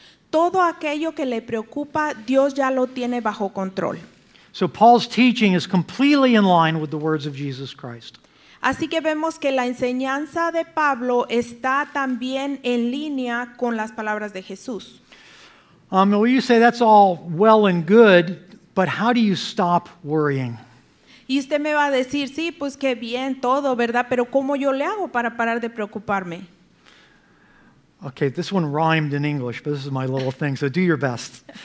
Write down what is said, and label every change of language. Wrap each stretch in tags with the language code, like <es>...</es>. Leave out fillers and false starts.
<es>Todo aquello que le preocupa, Dios ya lo tiene bajo control.</es> <en>So Paul's teaching is completely in line with the words of Jesus Christ.</en> <es>Así que vemos que la enseñanza de Pablo está también en línea con las palabras de Jesús.</es> <en>Well, you say that's all well and good, but how do you stop worrying?</en> <es>Y usted me va a decir, sí, pues qué bien todo, ¿verdad? Pero ¿cómo yo le hago para parar de preocuparme?</es> <en>Okay, this one rhymed in English, but this is my little thing, so do your best.</en>